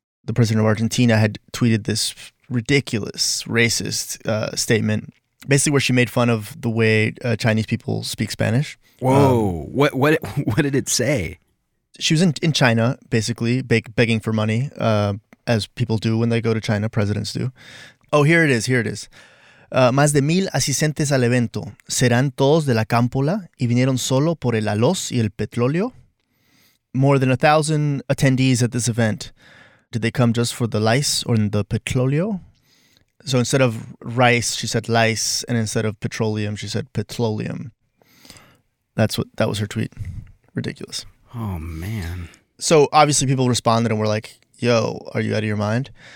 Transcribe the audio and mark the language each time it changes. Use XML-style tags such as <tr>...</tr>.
<en>the president of Argentina had tweeted this ridiculous, racist statement, basically where she made fun of the way Chinese people speak Spanish. Whoa, what did it say? She was in China, basically, begging for money, as people do when they go to China, presidents do. Oh, here it is.</en> <es>Más de 1,000 asistentes al evento serán todos de la Cámpola y vinieron solo por el arroz y el petróleo.</es> <en>More than 1,000 attendees at this event. Did they come just for the lice or the petróleo? So instead of rice, she said lice, and instead of petroleum, she said petroleum. That was her tweet. Ridiculous. Oh, man. So obviously people responded and were like, yo, are you out of your mind?</en>